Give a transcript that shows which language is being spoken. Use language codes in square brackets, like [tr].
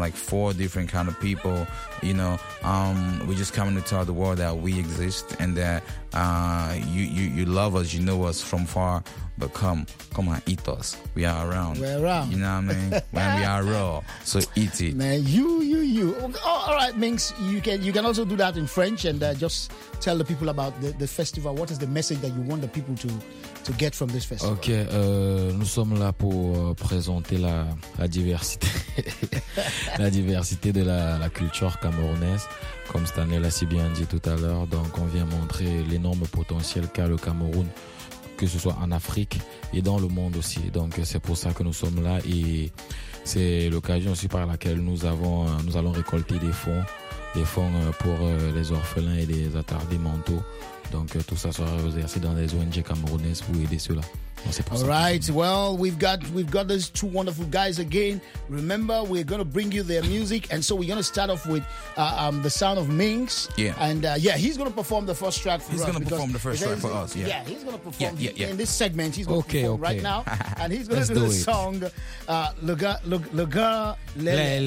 [en] Like four different kind of people, you know. We're just coming to tell the world that we exist and that you love us, you know us from far, but come on, eat us. We are around. We're around. You know what I mean? When we are raw, so eat it. Man, you. Oh, all right, Minx, you can also do that in French and just tell the people about the festival. What is the message that you want the people to get from this festival? [fr] Okay, nous sommes là pour présenter la diversité la diversité de la culture camerounaise. Comme Stanley l'a si bien dit tout à l'heure, donc on vient montrer l'énorme potentiel qu'a le Cameroun, que ce soit en Afrique et dans le monde aussi. Donc c'est pour ça que nous sommes là, et c'est l'occasion aussi par laquelle nous allons récolter des fonds pour les orphelins et les attardés mentaux. Donc tout ça sera versé dans les ONG camerounaises pour aider ceux-là. [en] All right, well, we've got these two wonderful guys again. Remember, we're going to bring you their music. And so we're going to start off with The Sound of Minx. Yeah. And he's going to perform the first track for he's us. He's going to perform the first track for us, yeah. Yeah, he's going to perform in this segment. He's going to perform right now. And he's going to do the song Luga Lele.